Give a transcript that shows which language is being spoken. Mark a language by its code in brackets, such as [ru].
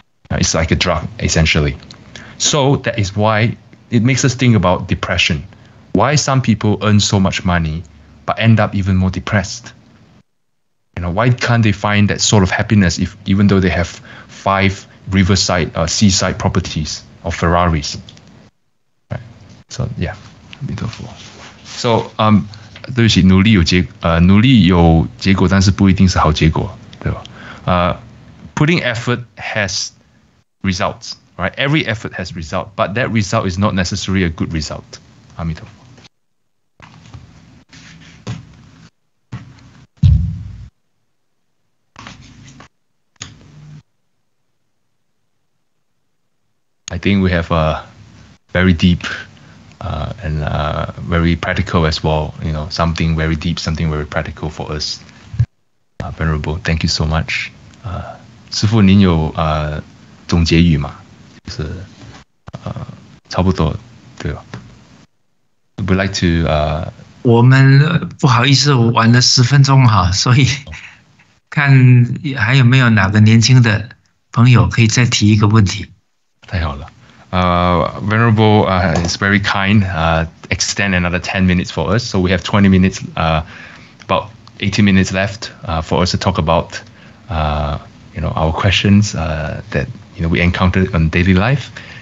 [en] It's like a drug essentially. So that is why it makes us think about depression. Why some people earn so much money but end up even more depressed? You know, why can't they find that sort of happiness if even though they have 5 riverside or seaside properties or Ferraris? Right. So yeah, a bit of all. [zh] So 对不起, 努力有结果, 但是不一定是好结果, 对吧? [en] Putting effort has results, right? Every effort has result, but that result is not necessarily a good result. [zh] 阿弥陀佛. [en] I think we have a very deep and very practical as well. You know, something very deep, something very practical for us. Venerable, thank you so much. [zh] 师父您有总结语吗? 就是, 差不多, 对吧? [en] We'd like to... [zh] 我们不好意思,晚了10分钟哈, 所以看还有没有哪个年轻的朋友可以再提一个问题。太好了。 [en] Venerable, it's very kind, extend another 10 minutes for us. So we have 20 minutes, about 18 minutes left for us to talk about, you know, our questions that, you know, we encounter on daily life.